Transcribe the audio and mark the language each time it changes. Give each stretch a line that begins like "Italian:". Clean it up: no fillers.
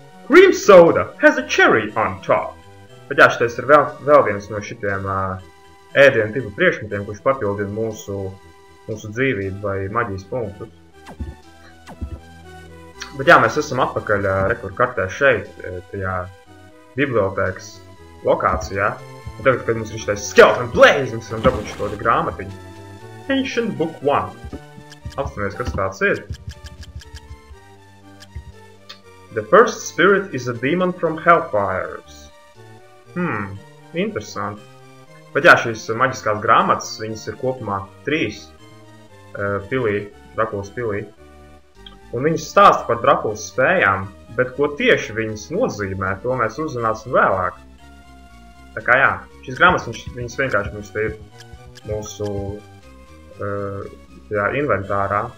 English: Cream soda has a cherry on top!
Latvian: Bet jā, šitais ir vēl, vēl viens no šitiem ēdienu tipu priekšmetiem, kurš papildina mūsu, mūsu dzīvību vai maģijas punktu. Bet jā, mēs esam atpakaļ rekur kartē šeit, tajā bibliotēkas lokācijā. Un tagad, kad mums ir šitais Skeleton Blaze, mēs varam dabūt šitodi grāmatiņu. Ancient Book 1. Apstāmies, kas tāds ir.
English: The first spirit is a demon from Hellfires.
Latvian: Hmm, interesanti. Bet jā, šīs maģiskās grāmatas, viņas ir kopumā trīs pilī, Drakulas pilī. Un viņas stāsta par Drakulas spējām, bet ko tieši viņas nozīmē, to mēs uzzināsim vēlāk. Tā kā jā, šīs grāmatas viņas, viņas vienkārši mums ir mūsu jā, inventārā.